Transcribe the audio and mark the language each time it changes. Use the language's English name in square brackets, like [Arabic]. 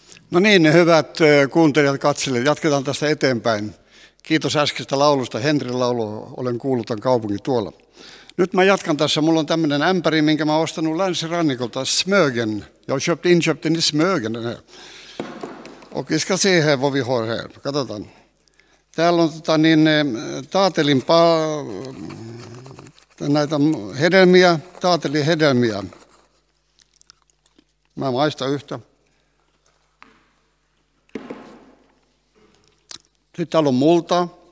[Finnish] No niin, hyvät kuuntelijat, katselijat, jatketaan tästä eteenpäin. Kiitos äskeistä laulusta. Henrin laulu, olen kuullut tämän kaupungin tuolla. Nyt mä jatkan tässä. Mulla on tämmöinen ämpäri, minkä mä oon ostanut länsirannikolta, Smögen. [Swedish] Jag köpte in köpten i Smögen. Och vi ska se här vad vi har här. [Finnish] Katsotaan. Täällä on taatelin näitä hedelmiä, taatelin hedelmiä. Mä maistan yhtä. Sitten täällä on multa.